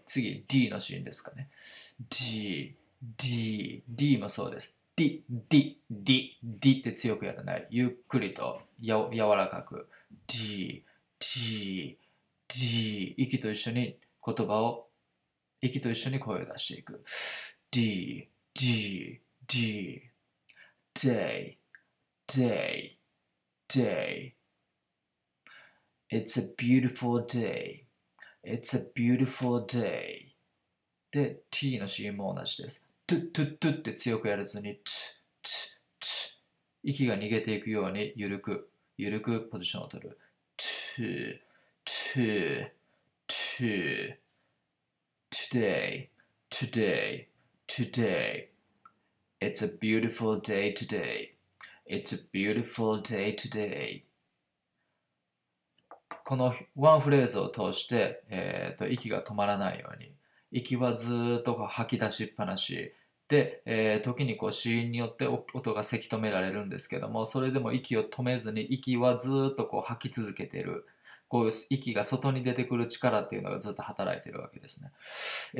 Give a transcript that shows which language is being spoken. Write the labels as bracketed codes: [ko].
[ja] 次、D のシーンですかね。D, D, D もそうです。 D, D, D, D って強くやらない。ゆっくりと柔らかく。D, D, D. 息と一緒に言葉を、息と一緒に声を出していく。 D, D. [en] D day day day It's a beautiful day It's a beautiful day [ja] で T のシーンも同じです。トゥトゥトゥって強くやらずに T T T 息が逃げていくようにゆるくポジションを取る。 [en] T T T Today Today TodayIt's a beautiful day today. It's a beautiful day today. [ja] このワンフレーズを通して、息が止まらないように、息はずっと吐き出しっぱなし。で、時にこう子音によって音がせき止められるんですけども、それでも息を止めずに息はずっとこう吐き続けている、こう息が外に出てくる力っていうのがずっと働いているわけですね。